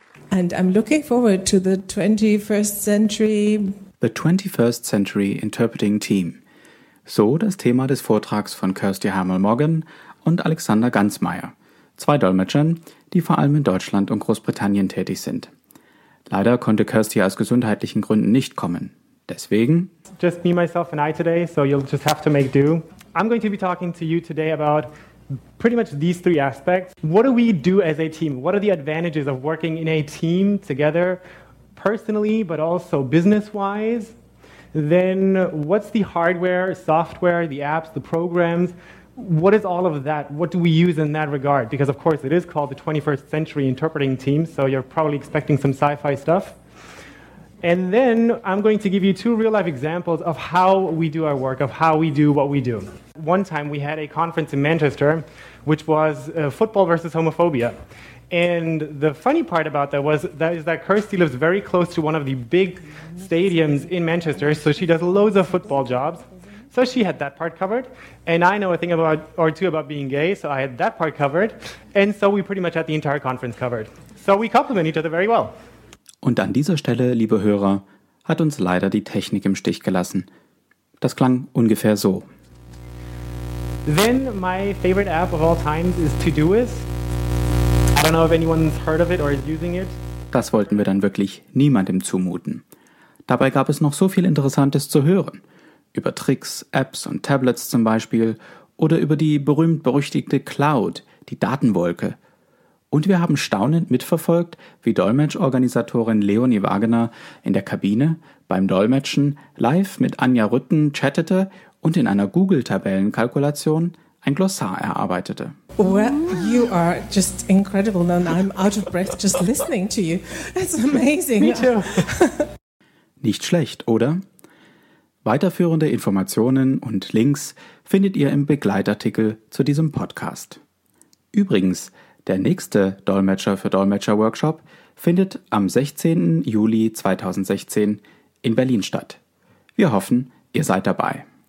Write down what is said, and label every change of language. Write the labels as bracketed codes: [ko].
[en] And I'm looking forward to the 21st century. The 21st Century Interpreting Team. [de] So das Thema des Vortrags von Kirsty Hamel-Morgan und Alexander Ganzmeier, zwei Dolmetschern, die vor allem in Deutschland und Großbritannien tätig sind. Leider konnte Kirsty aus gesundheitlichen Gründen nicht kommen. Deswegen. [en] Just me, myself and I today, so you'll just have to make do. I'm going to be talking to you today about pretty much these three aspects. What do we do as a team? What are the advantages of working in a team together, personally, but also business-wise? Then what's the hardware, software, the apps, the programs? What is all of that? What do we use in that regard? Because, of course, it is called the 21st Century Interpreting Team, so you're probably expecting some sci-fi stuff. And then I'm going to give you two real-life examples of how we do our work, of how we do what we do. One time we had a conference in Manchester, which was football versus homophobia. And the funny part about that was that is that Kirsty lives very close to one of the big stadiums in Manchester, so she does loads of football jobs. So she had that part covered. And I know a thing about or two about being gay, so I had that part covered. And so we pretty much had the entire conference covered. So we complement each other very well. [de] Und an dieser Stelle, liebe Hörer, hat uns leider die Technik im Stich gelassen. Das klang ungefähr so. [en] Then my favorite app of all times is Todoist. I don't know if anyone's heard of it or is using it. [de] Das wollten wir dann wirklich niemandem zumuten. Dabei gab es noch so viel Interessantes zu hören. Über Tricks, Apps und Tablets zum Beispiel. Oder über die berühmt-berüchtigte Cloud, die Datenwolke. Und wir haben staunend mitverfolgt, wie Dolmetsch-Organisatorin Leonie Wagener in der Kabine beim Dolmetschen live mit Anja Rütten chattete und in einer Google-Tabellenkalkulation ein Glossar erarbeitete. [en] Well, you are just incredible and I'm out of breath just listening to you. That's amazing. Me too. [de] Nicht schlecht, oder? Weiterführende Informationen und Links findet ihr im Begleitartikel zu diesem Podcast. Übrigens, der nächste Dolmetscher für Dolmetscher-Workshop findet am 16. Juli 2016 in Berlin statt. Wir hoffen, ihr seid dabei.